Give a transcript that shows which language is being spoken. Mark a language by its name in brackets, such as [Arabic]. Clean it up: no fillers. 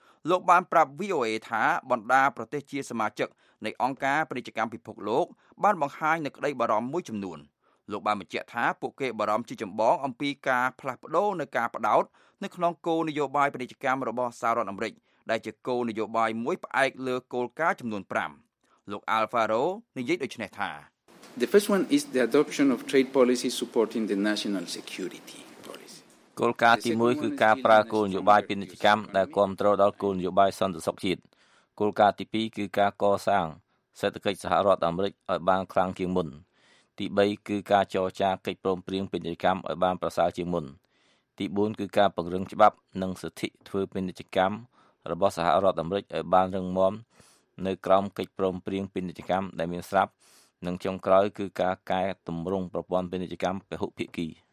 [Khmer] លោកបានប្រាប់ VOA ថាបណ្ដាប្រទេសជាសមាជិកនៃអង្គការពាណិជ្ជកម្មពិភពលោកបានបង្ហាញនូវក្តីបារម្ភមួយចំនួនលោកបានបញ្ជាក់ថាពួកគេបារម្ភជាចម្បងអំពីការផ្លាស់ប្ដូរនៃការបដោតនៅក្នុងគោលនយោបាយពាណិជ្ជកម្មរបស់សហរដ្ឋអាមេរិកដែលជាគោលនយោបាយមួយផ្អែកលើគោលការណ៍ចំនួន5លោក Alfaro និយាយដូចនេះថា [English] The first one is the adoption of trade policy supporting the national security policy [Khmer] គោលការណ៍ទី1គឺការប្រើគោលនយោបាយពាណិជ្ជកម្មដែលគ្រប់គ្រងដល់គោលនយោបាយសន្តិសុខជាតិគោលការណ៍ទី2គឺការកសាងសេដ្ឋកិច្ចសហរដ្ឋអាមេរិកឲ្យបានខ្លាំងជាងមុនទី3គឺការចរចាកិច្ចព្រមព្រៀងពាណិជ្ជកម្មឲ្យបានប្រសើរជាងមុនទី4គឺការពង្រឹងច្បាប់និងសិទ្ធិធ្វើពាណិជ្ជកម្មរបស់សហរដ្ឋអាមេរិកឲ្យបានរឹងមាំនៅក្រោមកិច្ចព្រមព្រៀងពាណិជ្ជកម្មដែលមានស្រាប់និងចុងក្រោយគឺការកែតម្រង់ប្រព័ន្ធពាណិជ្ជកម្មពហុភាគី